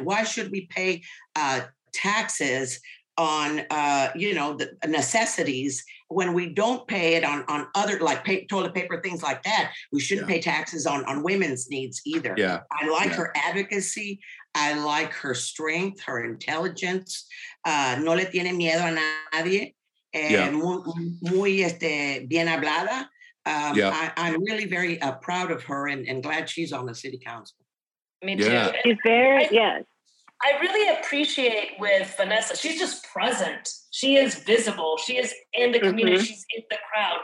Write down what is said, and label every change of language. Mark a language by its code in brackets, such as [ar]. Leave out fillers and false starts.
[en] Why should we pay taxes on the necessities when we don't pay it on other, like toilet paper, things like that? We shouldn't pay taxes on women's needs either. Yeah. I like her advocacy. I like her strength, her intelligence. [es] No le tiene miedo a nadie. Muy bien hablada. [en] I'm really very proud of her and glad she's on the city council. Me too. She's very, I really appreciate with Vanessa, she's just present. She is visible. She is in the community. Mm-hmm. She's in the crowd.